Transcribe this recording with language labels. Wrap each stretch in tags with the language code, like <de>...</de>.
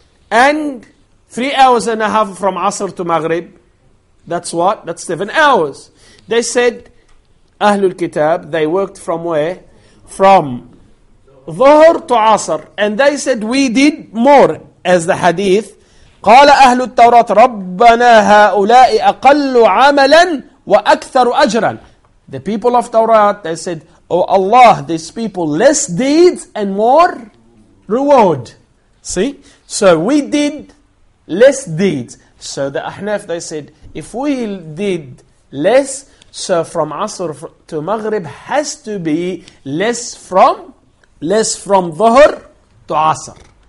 <en>And 3 hours and a half from Asr to Maghrib. That's what? That's 7 hours. They said, Ahlul Kitab, they worked from where? From Dhuhr to Asr. And they said, we did more. As the hadith,</en> <ar>قال أهل التوراة ربنا هؤلاء أقل عملا وأكثر أجرا.</ar> <en>The people of Torah, they said, oh Allah, these people less deeds and more reward. See? So we did less deeds. So the Ahnaf, they said, if we did less, so from Asr to Maghrib has to be less from Dhuhr to Asr.</en>